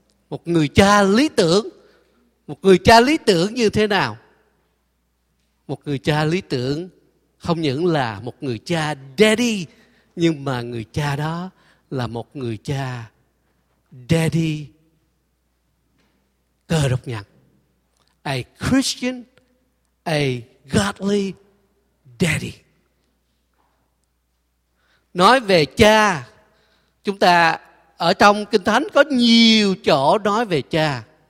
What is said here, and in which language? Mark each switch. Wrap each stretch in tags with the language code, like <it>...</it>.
<vi>Một người cha lý tưởng. Một người cha lý tưởng như thế nào? Một người cha lý tưởng không những là một người cha daddy, nhưng mà người cha đó là một người cha daddy Cơ Đốc Nhân.</vi> <en>A Christian, a godly daddy.</en> <vi>Nói về cha, chúng ta ở trong Kinh Thánh có nhiều chỗ nói về cha.</vi>